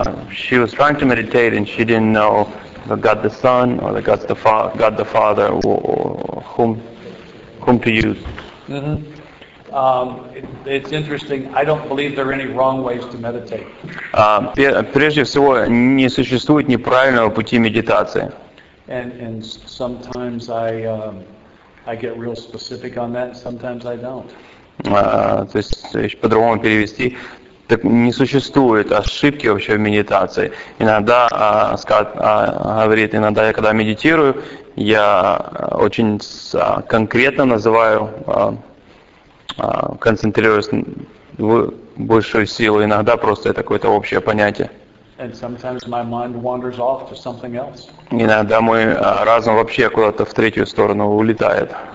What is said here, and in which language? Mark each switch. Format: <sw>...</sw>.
<en>She was trying to meditate, and she didn't know the God the Son, or the God the, God the Father, or whom to use. Mm-hmm. It's interesting. I don't believe there are any wrong ways to meditate.</en> <ru>Прежде всего, не существует неправильного пути медитации.</ru> <en>And sometimes I get real specific on that, and sometimes I don't.</en> <ru>То есть, еще по-другому перевести, так не существует ошибки вообще в медитации. Иногда, говорит, иногда я когда медитирую, я очень конкретно называю... концентрируясь в большую силу, иногда просто это какое-то общее понятие.</ru> <en>And sometimes my mind wanders off to something else.</en> <ru>Иногда мой разум вообще куда-то в третью сторону улетает.</ru>